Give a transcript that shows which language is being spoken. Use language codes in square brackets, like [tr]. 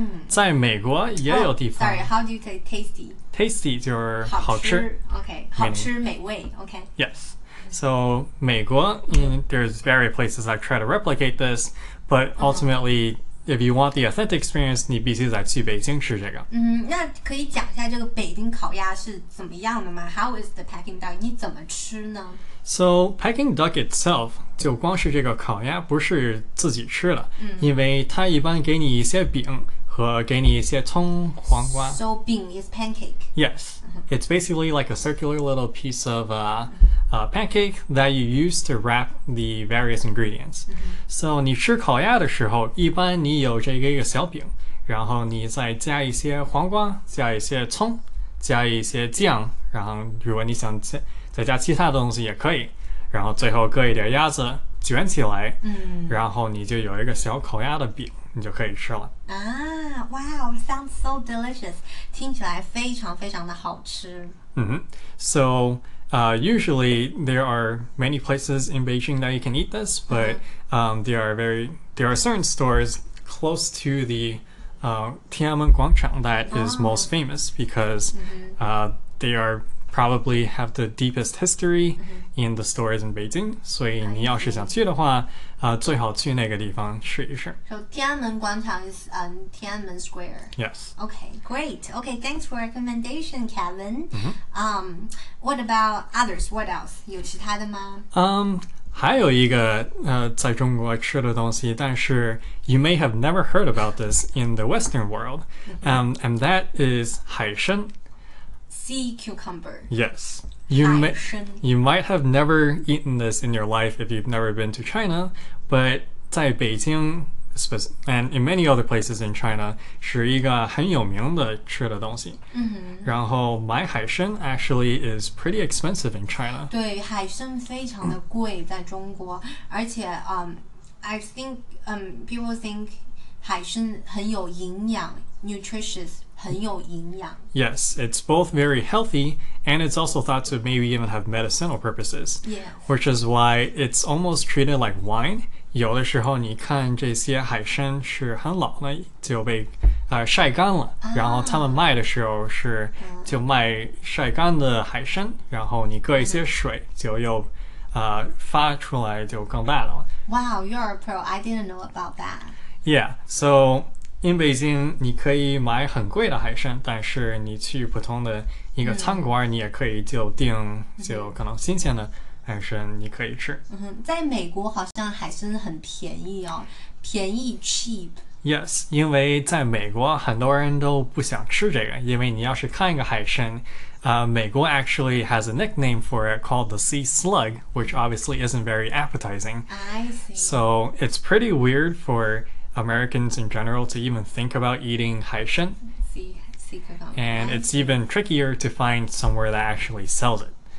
[zh] 在美国也有地方。 [en] Sorry, how do you say tasty? [zh] Tasty 就是好吃, 好吃 okay, 好吃美味 okay. [en] Yes, so 美国 there's various places that try to replicate this, but ultimately, if you want the authentic experience, [zh] 你必须在去北京吃这个。那可以讲一下这个北京烤鸭是怎么样的吗? [en] How is the Peking duck? [zh] 你怎么吃呢? [en] So Peking duck itself, [zh] 就光是这个烤鸭不是自己吃的、因为它一般给你一些饼和给你一些葱黄瓜。 [en] So, 饼 is pancake. Yes. It's basically like a circular little piece of pancake that you use to wrap the various ingredients. [zh] So, 你吃烤鸭的时候一般你有这个小饼然后你再加一些黄瓜加一些葱加一些酱然后如果你想再加其他的东西也可以然后最后搁一点鸭子卷起来、然后你就有一个小烤鸭的饼你就可以吃了。 [en] Wow, sounds so delicious. [zh] 听起来非常非常的好吃。 [en] So, usually there are many places in Beijing that you can eat this, but there are certain stores close to the Tiananmen Guangchang that is most famous because they are probably have the deepest history in the stores in Beijing. [zh] 所以你要是想去的话最好去那个地方试一试。 [en] So, Tiananmen 广场 is Tiananmen Square. Yes. Okay, great. Okay, thanks for recommendation, Kevin. What about others? What else? [zh] 有其他的吗? 还有一个在中国吃的东西但是 [en] you may have never heard about this in the Western world. And that is 海参。 Sea cucumber. Yes. You might have never eaten this in your life if you've never been to China, but [zh] 在北京 [en] and in many other places in China, [zh] 是一个很有名的吃的东西。然后买海参 [en] actually is pretty expensive in China. [zh] 对,海参非常的贵在中国。而且 [en] I think people think [zh] 海参很有营养 nutritious. 很有营养 [en] Yes, it's both very healthy and it's also thought to maybe even have medicinal purposes. Yeah. Which is why it's almost treated like wine. [zh] 有的时候你看这些海参是很老了就被晒干了、然后他们卖的时候是就卖晒干的海参然后你搁一些水就又发出来就更大了。 [en] Wow, you're a pro. I didn't know about that. Yeah, so... [zh] In Beijing, 你可以买很贵的海参但是你去普通的一个餐馆、你也可以就订就可能新鲜的海参你可以吃、在美国好像海参很便宜哦便宜 cheap Yes, 因为在美国很多人都不想吃这个因为你要是看一个海参 [en] Meigong actually has a nickname for it called the sea slug, which obviously isn't very appetizing. I see. So it's pretty weird for Americans in general to even think about eating haishen. And it's even trickier to find somewhere that actually sells it.